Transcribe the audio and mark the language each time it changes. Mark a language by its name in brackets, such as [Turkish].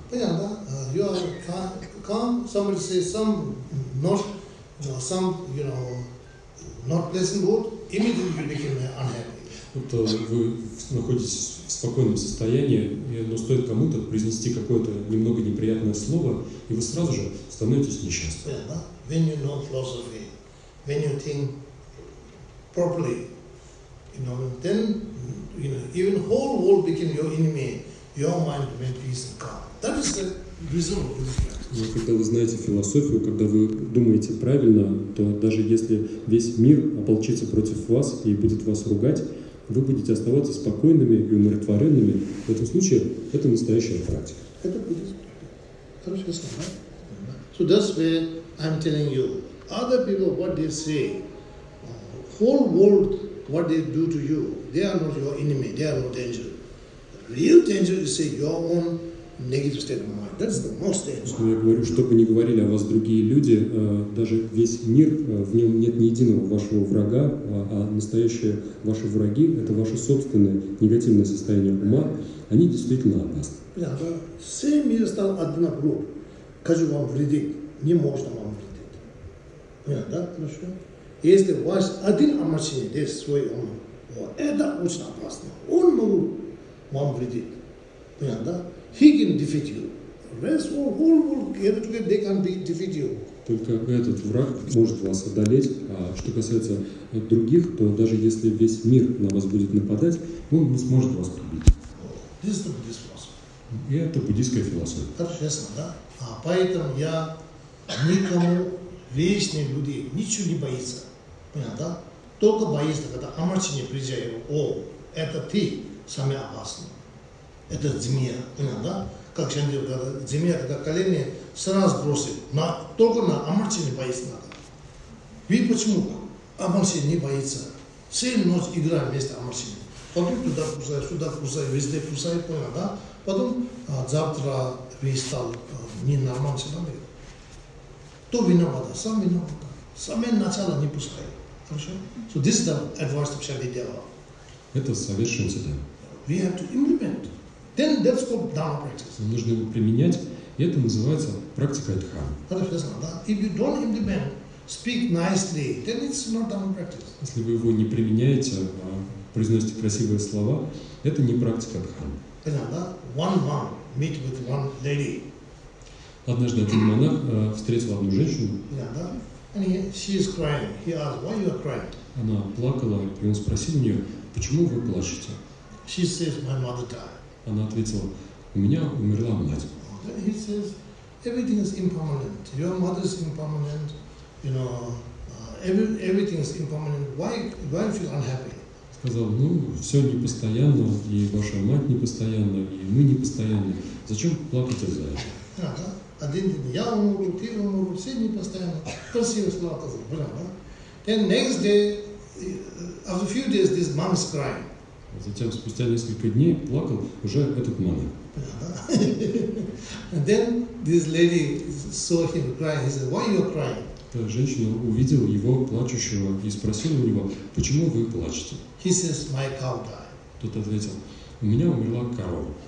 [Russian] Понятно? [English] You are calm. Somebody says some not pleasant word. Immediately you become unhappy. [Russian] Вот вы находитесь в спокойном состоянии, но стоит кому-то произнести какое-то немного неприятное слово, и вы сразу же становитесь несчастным. [English] Yeah, when you know philosophy, when you think properly, then even whole world became your enemy, your mind became peace and calm. That is the reason of [Russian] Но когда вы знаете философию, когда вы думаете правильно, то даже если весь мир ополчится против вас и будет вас ругать, вы будете оставаться спокойными и умиротворенными. В этом случае это настоящая практика. Это будет. Хорошо, да? [English] So that's why I'm telling you. Other people, what they say, whole world, what they do to you, they are not your enemy, they are not danger. Real danger is your own negative state of mind. That's the most danger. [Russian] Я говорю, что бы ни говорили о вас другие люди, даже весь мир, в нем нет ни единого вашего врага, а настоящие ваши враги – это ваше собственное негативное состояние ума, они действительно опасны. Все мир стал одна группа. Хочу вам вредить, не можно вам вредить. Понятно, да? Хорошо? Если у вас один омрачение, здесь свой ум, это очень опасно. Он может вам вредить. Понятно, да? [English] He can defeat you. Rest of whole world gathered together, they can defeat you. [Russian] Только этот враг может вас одолеть. А что касается других, то даже если весь мир на вас будет нападать, он не сможет вас победить. [English] This is the Buddhist philosophy. [Russian] И это буддийская философия. Хорошо, да? А поэтому я никому, вечные люди, ничего не боится. Понятно, да? Только боится, когда омрачение приезжает. О, это ты самый опасный. Это змея, понятно, да? Как Шандир говорит, змея, когда колени сразу бросит, только на омрачение боится надо. Ведь почему омрачение не боится? Все ночь играем вместо омрачения. Потом туда кусает, сюда кусает, везде кусает, понятно, да? Потом завтра весь стал ненормальным человеком. То виновата, сам виновата. Самое начало не пускает. Хорошо? [English] So this is the advice of Шандир Дева. [Russian] Это совет Шандир. [English] We have to implement. Then that's called dharma practice. [Russian] Нужно его применять, и это называется практика дхармы. Хорошо, да? [English] If you don't implement, speak nicely, then it's not dharma practice. [Russian] Если вы его не применяете, а произносите красивые слова, это не практика дхармы. Понятно, да? [English] One monk meet with one lady. [Russian] Однажды один монах встретил одну женщину. Понятно, да? [English] And she is crying. He asked, why you are crying? [Russian] Она плакала, и он спросил у нее, почему вы плачете? [English] She says, my mother died. [Russian] Она ответила, у меня умерла мать. [English] Then he says, everything is impermanent. Your mother is impermanent. Everything is impermanent. Why feel unhappy? [Russian] Сказал, все непостоянно, и ваша мать непостоянна, и мы непостоянны. Зачем плакать из-за этого? Один день я умру, ты умру, все непостоянно. Красиво сказал, правда? [English] Then next day, after a few days, this mom is crying. [Russian] Затем, спустя несколько дней, плакал уже этот монах. [English] And then this lady saw him crying. He said, why are you crying? [Russian] женщина увидела его плачущего и спросила у него, почему вы плачете? [English] He says, my cow died. [Russian] Тот ответил, у меня умерла корова.